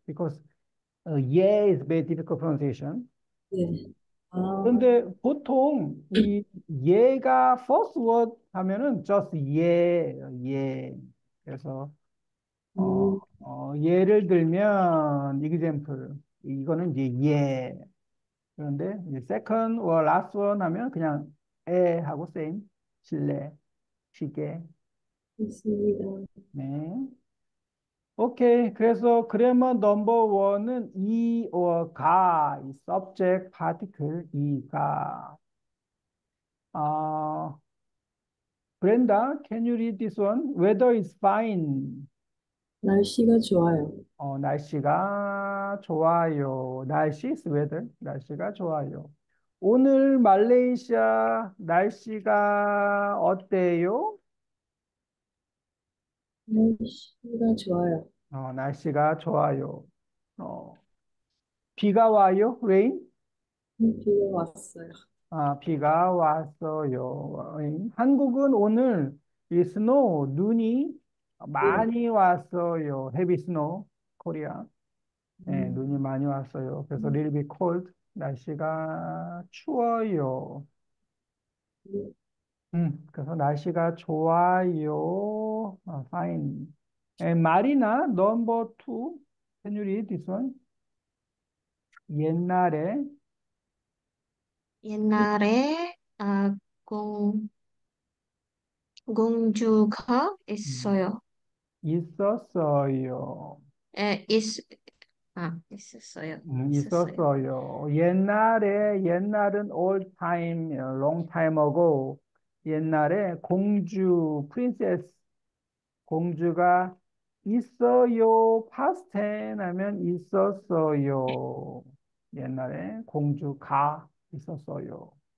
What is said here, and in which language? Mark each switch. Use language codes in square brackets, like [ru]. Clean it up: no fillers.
[en] Because yeah is very difficult pronunciation. [ko] 근데 보통 이 예가 [en] first word [ko] 하면은 just 예. 그래서 예를 들면 example 이거는 이제 예. 그런데 이제 [en] second or last one [ko] 하면 그냥 에 하고 same 실례 시계. 있습니다. 네. 오케이. 그래서 그래머 넘버원은 이 or 가, subject, particle, 이 가. [en] 브렌다, can you read this one? Weather is fine. [ko] 날씨가 좋아요. 날씨가 좋아요. [en] Nice is weather. [ko] 날씨가 좋아요. 오늘 말레이시아 날씨가 어때요? 날씨가 좋아요. 날씨가 좋아요. 비가 와요? 레인? 비가 왔어요. 비가 왔어요. 한국은 오늘 이 스노우, 눈이 많이 왔어요. [en] Heavy snow, [ko] Korea. 네, 눈이 많이 왔어요. 그래서 [en] little bit cold. [ko] 날씨가 추워요. 그래서 날씨가 좋아요. [en] Fine. And Marina, number two. Can you read this one? [ko] 옛날에. 옛날에 공주가 있어요. 있었어요. 있었어요. 있었어요. 있었어요. 옛날에, 옛날은 [en] old time, long time ago. [ko] 옛날에 공주, princess, 공주가 있어요. [en] past tense [ko] 하면 있었어요. 옛날에 공주가 있었어요.